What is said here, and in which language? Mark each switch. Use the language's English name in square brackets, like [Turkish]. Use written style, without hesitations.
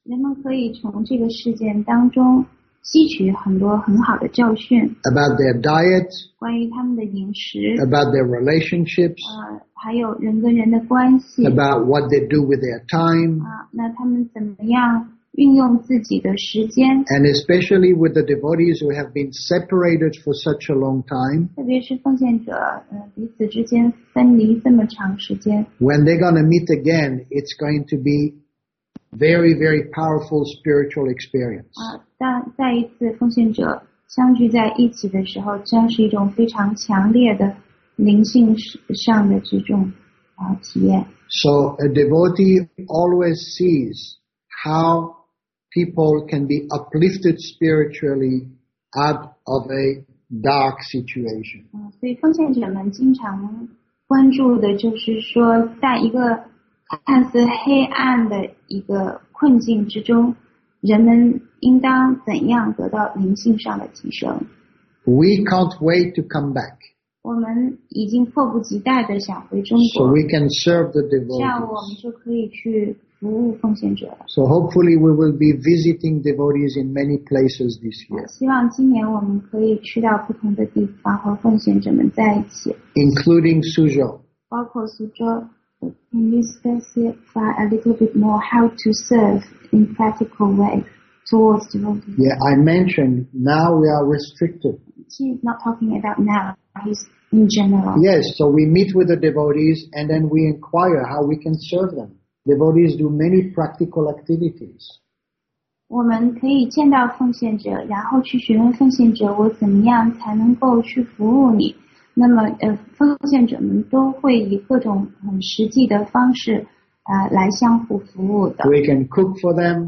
[Chinese] 人们可以从这个事件当中吸取很多很好的教训。 [English] About their diet. [Chinese] 关于他们的饮食。 [English] About their relationships. [Chinese] 还有人跟人的关系。 [English] About what they do with their time. [Chinese] 那他们怎么样运用自己的时间。 [English] And especially with the devotees who have been separated for such a long time. [Chinese] 特别是奉献者彼此之间分离这么长时间。 [English] When they're going to meet again, it's going to be very, very powerful spiritual experience. [Chinese] 当再一次奉献者相聚在一起的时候，将是一种非常强烈的灵性上的这种体验。 [English] So a devotee always sees how people can be uplifted spiritually out of a dark situation. [Chinese] 所以奉献者们经常关注的就是说，在一个看似黑暗的一个困境之中，人们应当怎样得到灵性上的提升。 [English] We can't wait to come back. [Chinese] 我们已经迫不及待地想回中国。 [English] So we can serve the devotees. [Chinese] 这样我们就可以去服务奉献者了。 [English] So hopefully we will be visiting devotees in many places this year. [Chinese] 希望今年我们可以去到不同的地方和奉献者们在一起。 [English] Including Suzhou. [Chinese] 包括苏州。 [English] Can you specify a little bit more how to serve in practical way towards devotees? Yeah, I mentioned now we are restricted. He's not talking about now, he's in general. Yes, so we meet with the devotees and then we inquire how we can serve them. Devotees do many practical activities. [Chinese] 我们可以见到奉献者，然后去询问奉献者，我怎么样才能够去服务你。那么奉献者们都会以各种很实际的方式来相互服务的。 [English] We can cook for them.